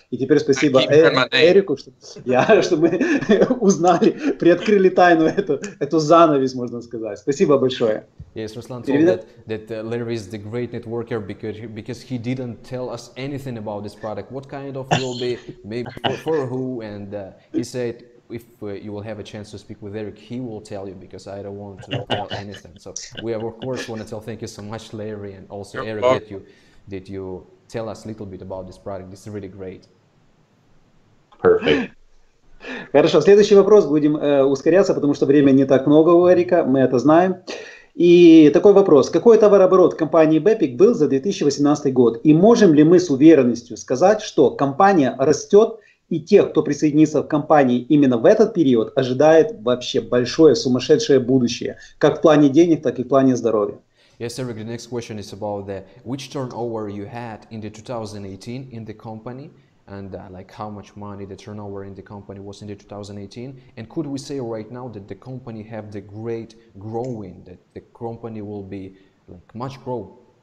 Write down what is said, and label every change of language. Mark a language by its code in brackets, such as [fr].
[ru] И теперь спасибо Эрику, что мы узнали, приоткрыли тайну эту занавес, можно сказать. Спасибо большое. [en] Yes, Ruslan told that Larry is the great networker because he didn't tell us anything about this product. What kind of will be, maybe for who, and he said, if you will have a chance to speak with Eric, he will tell you because I don't want to tell anything. So we, of course, want to tell thank you so much, Larry, and also You're Eric, welcome. that you tell us a little bit about this product. This is really great. Perfect. [ru] Хорошо, следующий вопрос. Будем ускоряться, потому что времени не так много у Эрика, мы это знаем. И такой вопрос. Какой товарооборот компании BEPIC был за 2018 год? И можем ли мы с уверенностью сказать, что компания растет, и тех, кто присоединится к компании именно в этот период, ожидает вообще большое сумасшедшее будущее, как в плане денег, так и в плане здоровья? [en] Yes, Eric, the next question is about the which turnover you had in the 2018 in the company. And like how much money the turnover in the company was in the 2018, and could we say right now that the company have the great growing, that the company will be like much grow?